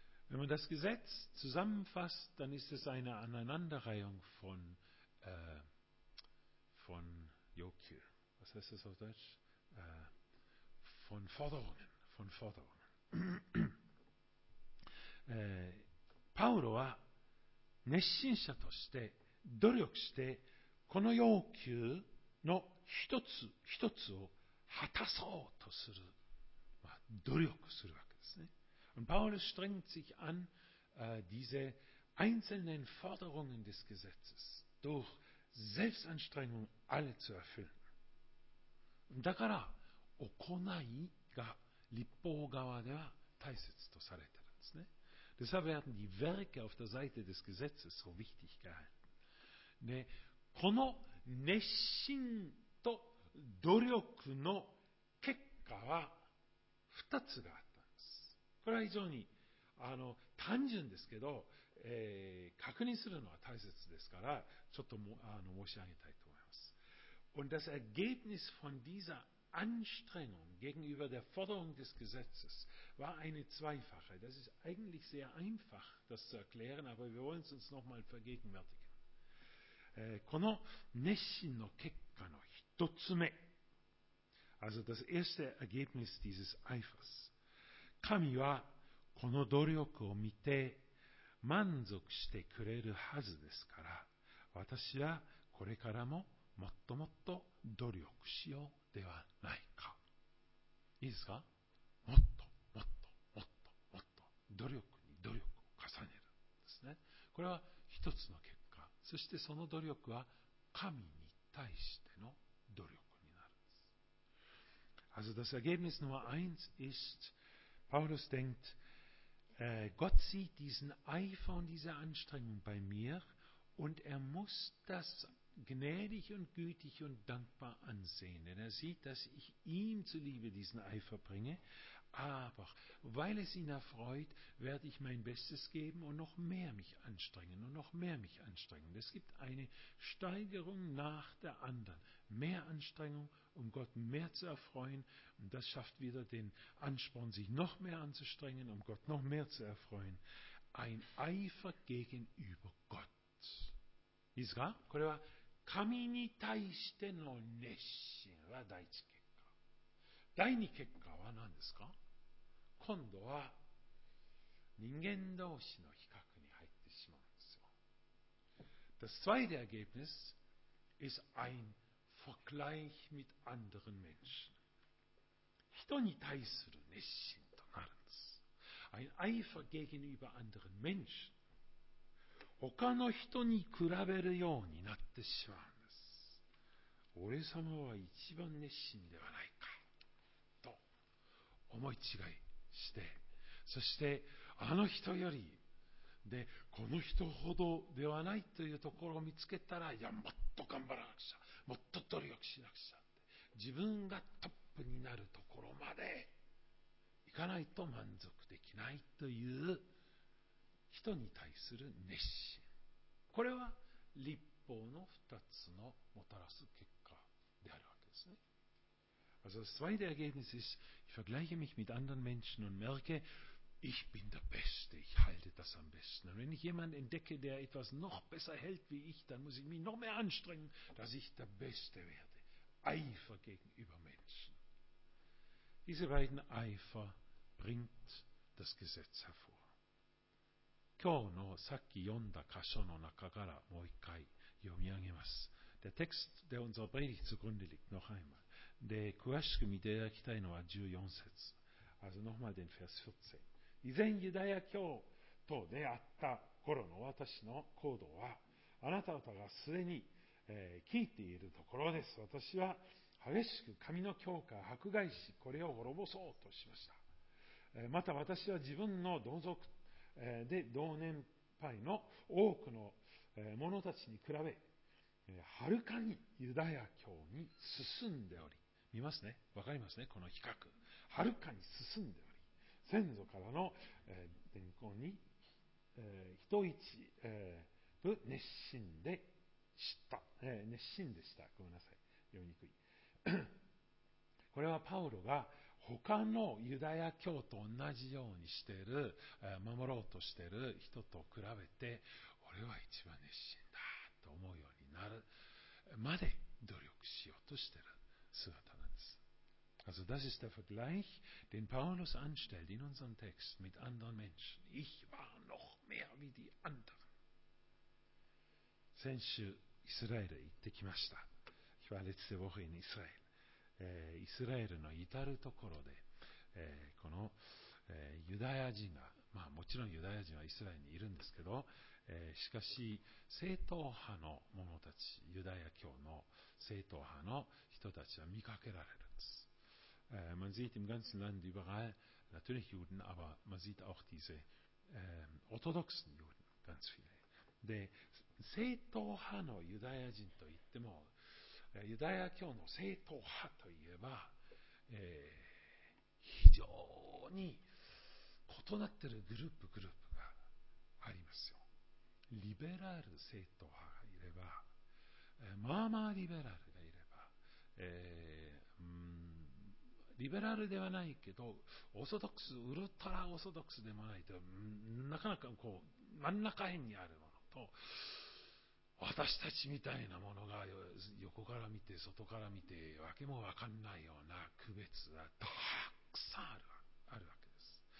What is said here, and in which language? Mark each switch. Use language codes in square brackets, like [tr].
[de] Wenn man das Gesetz zusammenfasst, dann ist es eine Aneinanderreihung von, von [ja] 要求. [de] Was heißt das auf Deutsch? Von Forderungen. Von Forderungen. [ja] パウロは熱心者として努力してこの要求の一つ一つを果たそうとする、まあ、努力するわけですね。 [de] Und Paulus strengt sich an, diese einzelnen Forderungen des Gesetzes durch Selbstanstrengung alle zu erfüllen. [ja] だから、行いが律法側では大切とされてるんですね。 [de] Deshalb werden die Werke auf der Seite des Gesetzes so wichtig gehalten. [ja] Ne,この熱心と努力の結果は二つがあったんです。これは非常に単純ですけど、確認するのは大切ですから、ちょっとも申し上げたいと思います。 [de] Und das Ergebnis von dieser Anstrengung gegenüber der Forderung des Gesetzes war eine zweifache. Das ist eigentlich sehr einfach, das zu erklären, aber wir wollen es uns nochmal vergegenwärtigen. [ja] この熱心の結果の一つ目、 [de] also das erste Ergebnis dieses Eifers、 [ja] 神はこの努力を見て満足してくれるはずですから、私はこれからももっともっと努力しようではないか。いいですか？もっともっともっともっと努力に努力を重ねるんですね。これは一つの結果。そしてその努力は神に対しての努力になるんです。 [de] Also das Ergebnis Nummer eins ist, Paulus denkt, Gott sieht diesen Eifer und diese Anstrengung bei mir und er muss das gnädig und gütig und dankbar ansehen. Denn er sieht, dass ich ihm zuliebe diesen Eifer bringe, aber weil es ihn erfreut, werde ich mein Bestes geben und noch mehr mich anstrengen und noch mehr mich anstrengen. Es gibt eine Steigerung nach der anderen. Mehr Anstrengung, um Gott mehr zu erfreuen. Und das schafft wieder den Ansporn, sich noch mehr anzustrengen, um Gott noch mehr zu erfreuen. Ein Eifer gegenüber Gott. Ist klar? [ja] これは神に対しての熱心は第一結果。第二結果は何ですか？今度は人間同士の比較に入ってしまうんですよ。 [de] Das zweite Ergebnis ist ein Vergleich mit anderen Menschen. [ja] 人に対する熱心となるんです。 [de] Ein Eifer gegenüber anderen Menschen. [ja] 他の人に比べるようになってしまうんです。俺様は一番熱心ではないかと思い違いして、そしてあの人よりでこの人ほどではないというところを見つけたら、いやもっと頑張らなくちゃ、もっと努力しなくちゃって、自分がトップになるところまで行かないと満足できないという人に対する熱心。これは立法の二つのもたらす結果であるわけですね。 [de] Also das zweite Ergebnis ist, ich vergleiche mich mit anderen Menschen und merke, ich bin der Beste, ich halte das am besten. Und wenn ich jemanden entdecke, der etwas noch besser hält wie ich, dann muss ich mich noch mehr anstrengen, dass ich der Beste werde. Eifer gegenüber Menschen. Diese beiden Eifer bringt das Gesetz hervor. [ja] 今日のさっき読んだ箇所の中からもう一回読み上げます。 [de] Der Text, der unserer Predigt zugrunde liegt, noch einmal. [ja] で、詳しく見ていただきたいのは14節。 [de] Also nochmal den Vers 14。 [ja] 以前ユダヤ教徒であった頃の私の行動は、あなた方がすでに、聞いているところです。私は激しく神の教会を迫害し、これを滅ぼそうとしました。また私は自分の同族とで同年配の多くの者たちに比べはるかにユダヤ教に進んでおり、見ますね、わかりますね、この比較、はるかに進んでおり、先祖からの伝言に人一部熱心でした、熱心でした、ごめんなさい、読みにくい。これはパウロが他のユダヤ教と同じようにしている、守ろうとしている人と比べて、俺は一番熱心だと思うようになるまで努力しようとしている姿なんです。 [de] Also das ist der Vergleich, den Paulus anstellt in unserem Text mit anderen Menschen. Ich war noch mehr wie die anderen. [ja] 先週イスラエル行ってきました。 [de] Ich war letzte Woche in Israel. [ja] イスラエルの至るところで、この、ユダヤ人が、まあ、もちろんユダヤ人はイスラエルにいるんですけど、しかし正統派の者たち、ユダヤ教の正統派の人たちは見かけられるんです。 [de] Man sieht im ganzen Land überall natürlich Juden, aber man sieht auch diese orthodoxen Juden ganz viele. [ja] で、正統派のユダヤ人といってもユダヤ教の正統派といえば、非常に異なっているグループがありますよ。リベラル正統派がいれば、まあまあリベラルがいれば、リベラルではないけどオーソドックス、ウルトラオーソドックスでもないと、なかなかこう真ん中辺にあるものと、私たちみたいなものが横から見て外から見てわけもわかんないような区別がたくさんあるわけです。